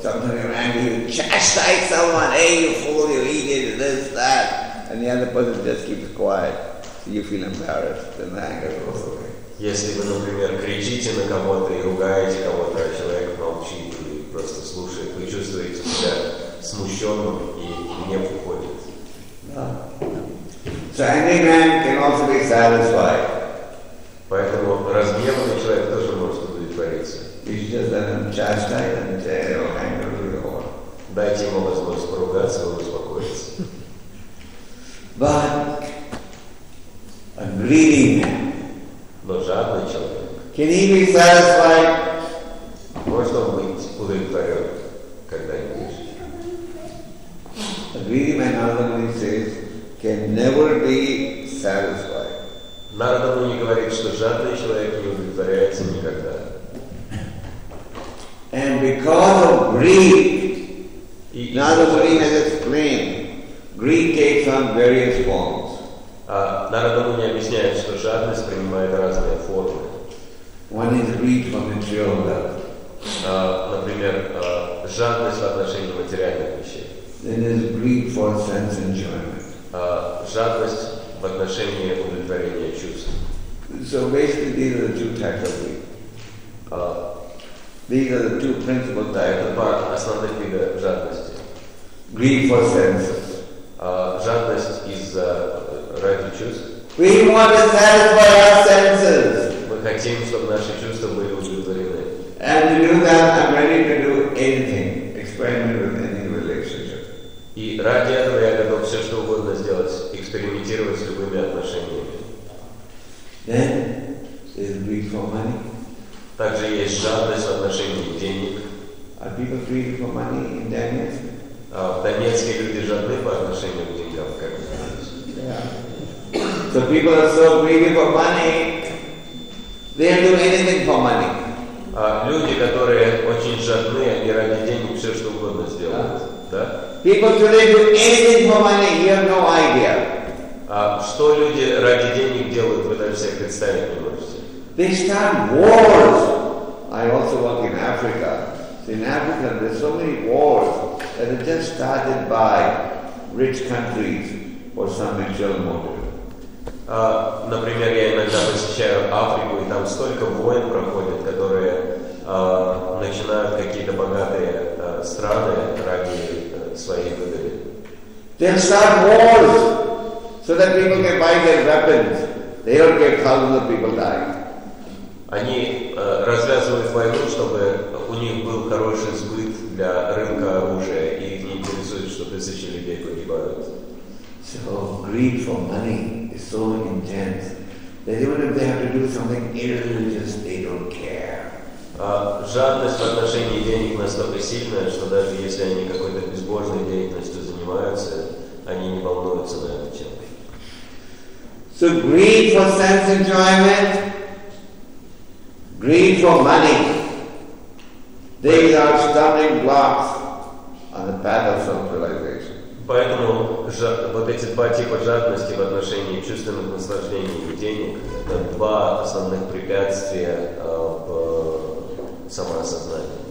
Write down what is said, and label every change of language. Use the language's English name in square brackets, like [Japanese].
[English] Sometimes you're angry, you chastise someone, hey, you fool, you idiot, this, that. And the other person just keeps quiet. So you feel embarrassed, and the anger goes away. [Russian] Если вы, например, кричите на кого-то и ругаете кого-то, а человек молчит и просто слушает, вы чувствуете себя смущенным и гнев уходит. [English] So angry man can also be satisfied. [Russian] Поэтому разгневанный человек тоже может удовлетвориться. [English] You should just let him chastise and say, oh, anger will be gone. [Russian] Дайте ему возможность поругаться, он успокоится. [English] But a greedy man. [Russian] Но жадный человек. [English] Can he be satisfied? [Russian] Может он быть удовлетворен когда-нибудь? [English] A greedy man, Narada Muni says, can never be satisfied. [Russian] Narada Muni говорит, что жадный человек не удовлетворяется никогда. [English] And because of greed, Narada Muni has explained, greed takes on various forms. [Russian] Narada Muni объясняет, что жадность принимает разные формы. [English] One is greed for material wealth. [Russian] Например, жадность в отношении материальных вещей. [English] Then there's greed for sense enjoyment. [Russian] Жадность в отношении удовлетворения чувств. [English] So basically these are the two types of greed. These are the two principal types of greed. [Russian] Два основных вида жадности. [English] Greed for senses. [Russian] Жадность из-за ради чувств. [English] We want to satisfy our senses. [Russian] Мы хотим, чтобы наши чувства были удовлетворены. [English] And to do that, I'm ready to do anything. Experiment with anything. [Russian] И ради этого я готов все что угодно сделать, экспериментировать с любыми отношениями. [English] greed for money. [Russian] Также есть жадность в отношении денег. [English] Are people greedy for money in Donetsk? [Russian] В Донецке люди жадны по отношению к деньгам, как вы знаете. [English] So people are so greedy for money, they do anything for money. [Russian] Люди, которые очень жадны, они ради денег все что угодно сделают. Да? [English] People today do anything for money, you have no idea. [Russian] Что люди ради денег делают, вы даже себе представить не можете. [English] They start wars. I also work in Africa. In Africa, there's so many wars that are just started by rich countries for some material motive. [Russian] Например, я иногда посещаю Африку, и там столько войн проходят, которые начинают какие-то богатые страны ради своей выгоды. [English] They start wars so that people can buy their weapons. They don't care, thousands of people die. [Russian] Они развязывают войну, чтобы у них был хороший сбыт для рынка оружия, и их не интересует, что тысячи людей погибают. [English] So greed for money is so intense that even if they have to do something irreligious, they don't care. [Russian] Жадность в отношении денег настолько сильная, что даже если они какой-то безбожной деятельностью занимаются, они не волнуются на эту тему. [English] So greed for sense enjoyment, greed for money, they are stumbling blocks on the path of self-realization. [Russian] Поэтому вот эти два типа жадности в отношении чувственных наслаждений и денег — это два основных препятствия в самоосознании.